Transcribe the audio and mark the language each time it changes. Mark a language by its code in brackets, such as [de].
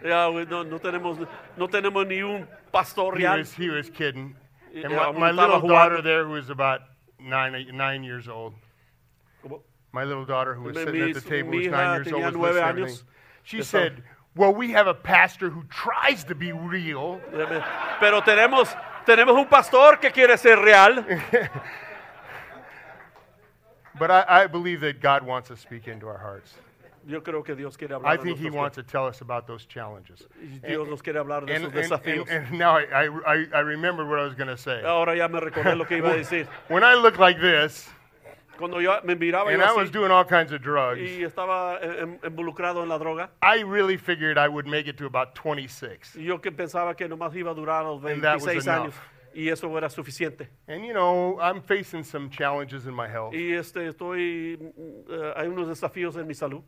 [es] Yeah, no tenemos ni un pastor real. [en] He was kidding, and my little daughter there, who was about nine years old, my little daughter who was sitting at the table, was 9 years old, was listening to everything. She said, well, we have a pastor who tries to be real. [es] Pero tenemos un pastor que quiere ser real. [en] But I believe that God wants to speak into our hearts. [es] Yo creo que Dios quiere hablar [en] I think [es] de [en] he wants to tell us about those challenges. [es] Dios nos quiere hablar de esos desafíos. [en] And now I remember what I was going to say. [es] Ahora ya me recordé lo que iba a decir. [en] When I look like this, [es] cuando yo me miraba, [en] and [es] yo así, [en] I was doing all kinds of drugs. [es] Y estaba involucrado en la droga. [en] I really figured I would make it to about 26. [es] Yo que pensaba que nomás iba a durar los 26 años. Y eso era suficiente. [en] And you know, I'm facing some challenges in my health. [es] Y estoy, hay unos desafíos en mi salud.